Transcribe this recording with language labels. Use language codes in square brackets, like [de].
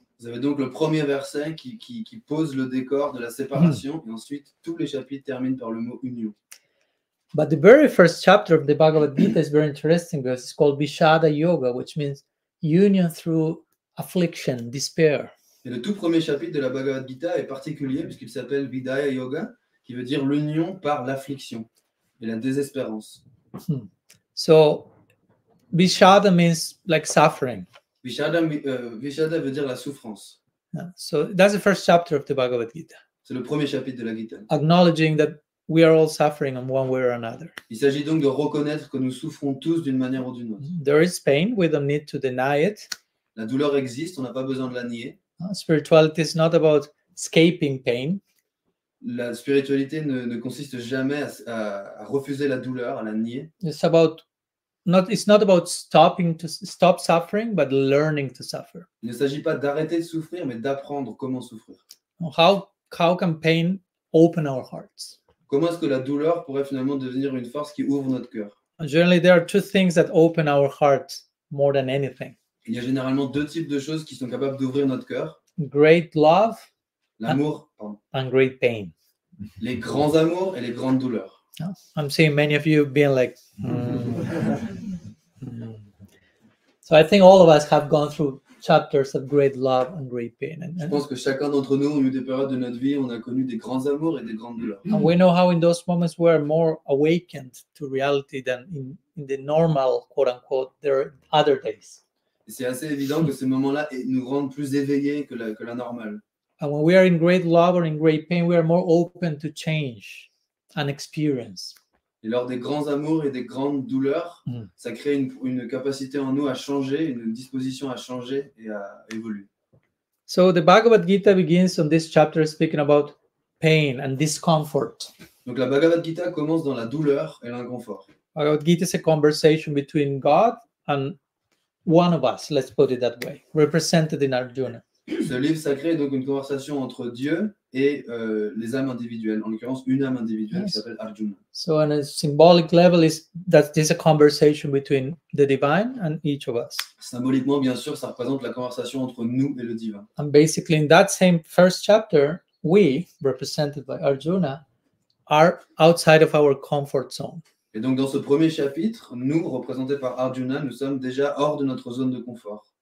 [fr] Vous avez donc le premier verset qui pose le décor de la séparation, et ensuite tous les chapitres terminent par le mot union. [en] But the very first chapter of the Bhagavad Gita is very interesting because it's called Vishada Yoga, which means union through affliction, despair. [fr] Et le tout premier chapitre de la Bhagavad Gita est particulier puisqu'il s'appelle Vidaya Yoga, qui veut dire l'union par l'affliction et la désespérance. [en] So Vishada means like suffering. [fr] Vishada veut dire la souffrance. [en] Yeah. So that's the first chapter of the Bhagavad Gita. [fr] C'est le premier chapitre de la Gita. [en] Acknowledging that we are all suffering in one way or another. [fr] Il s'agit donc de reconnaître que nous souffrons tous d'une manière ou d'une autre. [en] There is pain, we don't need to deny it. [fr] La douleur existe, on n'a pas besoin de la nier. [en] Spirituality is not about escaping pain. [fr] La spiritualité ne consiste jamais à refuser la douleur, à la nier. [en] It's about it's not about stop suffering, but learning to suffer. [fr] Il ne s'agit pas d'arrêter de souffrir, mais d'apprendre comment souffrir. [en] How can pain open our hearts? [fr] Comment est-ce que la douleur pourrait finalement devenir une force qui ouvre notre cœur? [en] Generally, there are two things that open our hearts more than anything. [fr] Il y a généralement deux types de choses qui sont capables d'ouvrir notre cœur. [en] Great love, [fr] l'amour, [en] and great pain. [fr] Les grands amours et les grandes douleurs. [en] Oh, I'm seeing many of you being like, So I think all of us have gone through chapters of great love and great pain. [fr] Je pense que chacun d'entre nous a eu des périodes de notre vie où on a connu des grands amours et des grandes douleurs. [en] And we know how in those moments we are more awakened to reality than in, in the normal, quote unquote, their other days. [fr] C'est assez évident que ces moments-là nous rendent plus éveillés que la normale. [en] And when we are in great love or in great pain, we are more open to change and experience. [fr] Et lors des grands amours et des grandes douleurs, ça crée une capacité en nous à changer, une disposition à changer et à évoluer. [en] So the Bhagavad Gita begins on this chapter speaking about pain and discomfort. [fr] Donc la Bhagavad Gita commence dans la douleur et l'inconfort. [en] Bhagavad Gita is a conversation between God and one of us, let's put it that way, represented in Arjuna. [fr] Ce livre sacré est donc une conversation entre Dieu et les âmes individuelles, en l'occurrence une âme individuelle qui s'appelle Arjuna. [en] So on a symbolic level, is that this is a conversation between the divine and each of us. [fr] Symboliquement, bien sûr, ça représente la conversation entre nous et le divin. [en] And basically, in that same first chapter, we, represented by Arjuna, are outside of our comfort zone. [fr] Et donc dans ce premier chapitre, nous, représentés par Arjuna, nous sommes déjà hors de notre zone de confort.